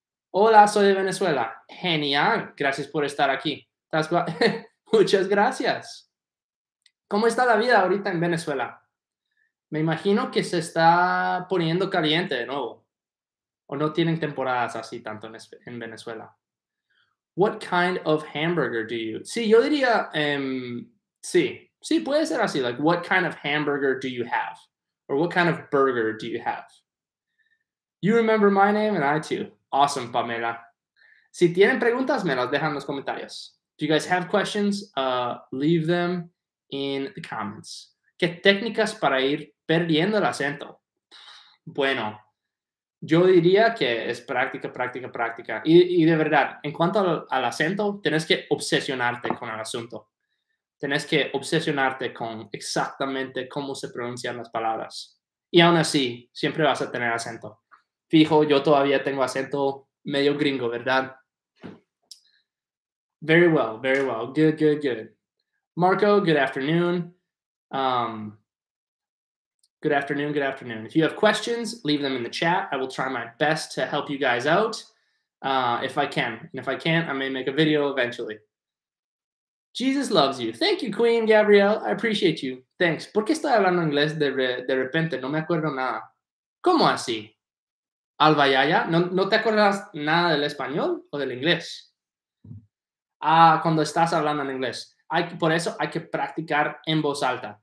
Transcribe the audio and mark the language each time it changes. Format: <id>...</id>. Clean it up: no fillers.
<es>Hola, soy de Venezuela. Genial. Gracias por estar aquí. Muchas gracias. ¿Cómo está la vida ahorita en Venezuela? Me imagino que se está poniendo caliente de nuevo. O no tienen temporadas así tanto en Venezuela.</es> <en>What kind of hamburger do you?</en> <es>Sí, yo diría, sí, puede ser así.</es> <en>Like, what kind of hamburger do you have? Or what kind of burger do you have? You remember my name and I too. Awesome, Pamela.</en> <es>Si tienen preguntas, me las dejan en los comentarios.</es> <en>Do you guys have questions? Leave them in the comments.</en> <es>¿Qué técnicas para ir perdiendo el acento? Bueno. Yo diría que es práctica, práctica, práctica. Y de verdad, en cuanto al acento, tenés que obsesionarte con el asunto. Tenés que obsesionarte con exactamente cómo se pronuncian las palabras. Y aún así, siempre vas a tener acento. Fijo, yo todavía tengo acento medio gringo, ¿verdad?</es> <en>Very well. Good, good, good. Marco, good afternoon. Good afternoon, good afternoon. If you have questions, leave them in the chat. I will try my best to help you guys out. If I can. And if I can't, I may make a video eventually. Jesus loves you. Thank you, Queen Gabrielle. I appreciate you. Thanks.</en> <es>¿Por qué estoy hablando inglés de repente? No me acuerdo nada. ¿Cómo así? Alba Yaya, ¿no te acuerdas nada del español o del inglés? Ah, cuando estás hablando en inglés. Por eso hay que practicar en voz alta.</es>